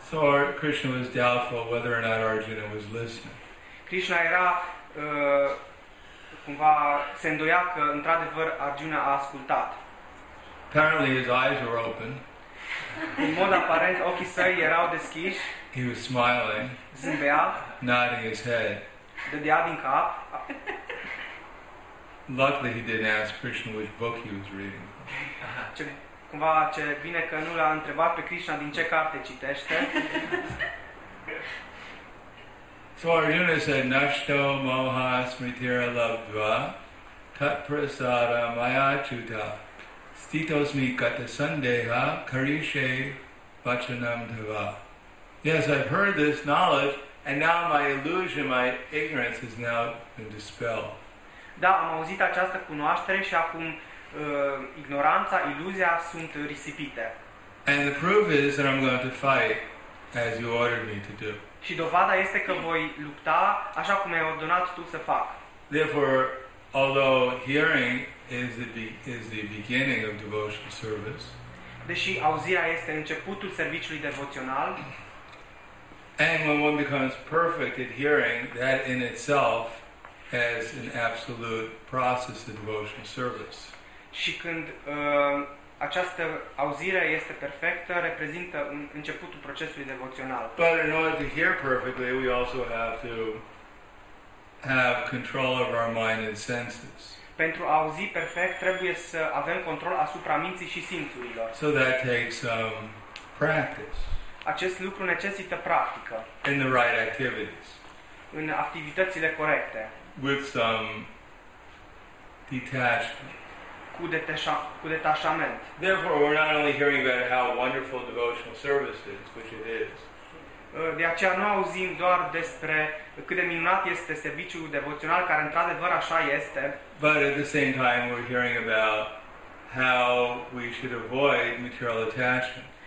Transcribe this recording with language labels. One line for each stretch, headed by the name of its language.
English: So Krishna was doubtful whether or not Arjuna was listening.
Romanian: Krishna era cumva se îndoia că într-adevăr Arjuna a ascultat.
English: Apparently his eyes were open.
Romanian: În mod aparent ochii săi erau deschiși.
English: He was smiling.
Romanian: Zâmbea.
English: Nodding his head.
Romanian: Dădea din cap.
English: Luckily he didn't ask Krishna which book he was reading.
Romanian: Ce, cumva ce bine că nu l-a întrebat pe Krishna din ce carte citește.
English: So Arjuna said,
Sanskrit: Nashto moha smritira labdva tat prasada maya chuta Stitosmi gata sandeha karishe vachanam dhava.
English: Yes, I've heard this knowledge, and now my illusion, my ignorance has now been dispelled.
Romanian: Da, am auzit această cunoaștere și acum ignoranța, iluzia sunt risipite.
English: And the proof is that I'm going to fight as you ordered me to do.
Romanian: Și dovada este că voi lupta așa cum ai ordonat tu să fac.
English: Therefore, although hearing is the beginning of devotional service.
Romanian: Deși auzirea este începutul serviciului devoțional.
English: And when one becomes perfect at hearing, that in itself has an absolute process of devotional service.
Romanian: Și când această auzire este perfectă, reprezintă începutul procesului devoțional.
English: But in order to hear perfectly, we also have to have control of our mind and senses.
Romanian: Pentru a auzi perfect, trebuie să avem control asupra minții și simțurilor.
English: So that takes practice.
Romanian: Acest lucru necesită practică.
English: In the right activities.
Romanian: În activitățile corecte.
English: With some detachment.
Romanian: Cu detașament.
English: Therefore, we're not only hearing about how wonderful devotional service is, which it is.
Romanian: De aceea nu auzim doar despre cât de minunat este serviciul devoțional, care într-adevăr așa este.
English: But at the same time, we're hearing about how we should avoid material attachment.